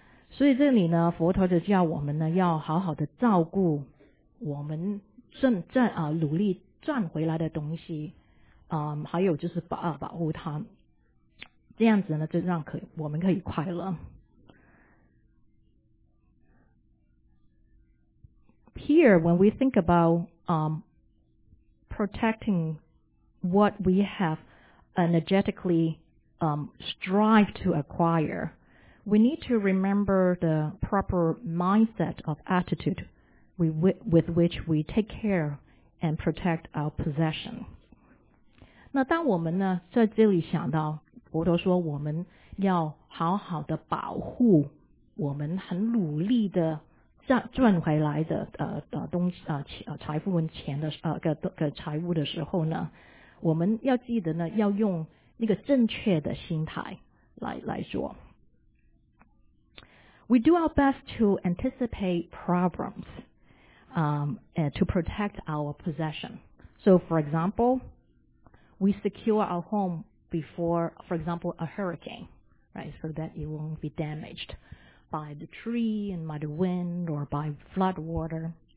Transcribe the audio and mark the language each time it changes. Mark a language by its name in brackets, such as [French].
[Chinese] 所以这里呢，佛陀就叫我们呢，要好好的照顾我们努力赚回来的东西，还有就是保护它，这样子呢，就让我们可以快乐。 [English] Here, when we think about protecting what we have energetically strive to acquire, we need to remember the proper mindset of attitude with which we take care and protect our possession. [Chinese] 那当我们呢在这里想到佛陀说我们要好好的保护我们很努力的赚回来的东西财富跟钱的财务的时候呢，我们要记得呢，要用一个正确的心态来做。 [English] We do our best to anticipate problems, to protect our possession. So, for example, we secure our home before, for example, a hurricane, right? So that it won't be damaged by the tree and by the wind or by flood water.